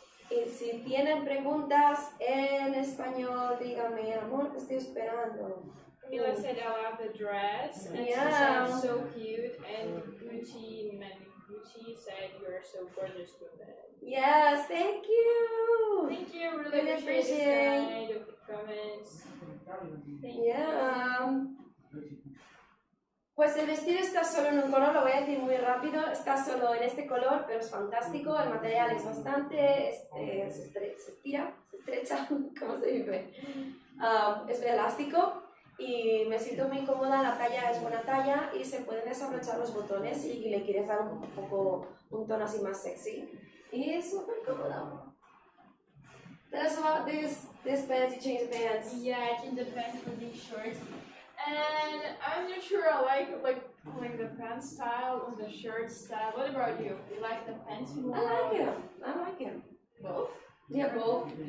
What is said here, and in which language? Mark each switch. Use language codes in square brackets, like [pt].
[es] Y si tienen preguntas en español, díganme, amor, te estoy esperando. [en] Camila said I love the dress. And yeah. She said, so cute. And Gucci, Gucci said, you are so gorgeous with it. Yes, thank you. Thank you. Really, really appreciate it. The comments. Thank you. [es] Pues el vestido está solo en un color, lo voy a decir muy rápido, está solo en este color, pero es fantástico, el material es bastante, se estrecha, ¿cómo se dice? Es elástico y me siento muy cómoda, la talla es buena talla y se pueden desabrochar los botones y le quieres dar un poco un tono así más sexy y es súper cómodo. [en] That's about this pants, you change the pants. Yeah, I change the pants for these shorts. And I'm not sure I like the pants style or the shirt style. What about you? You like the pants more? I like him. Both? Yeah, both.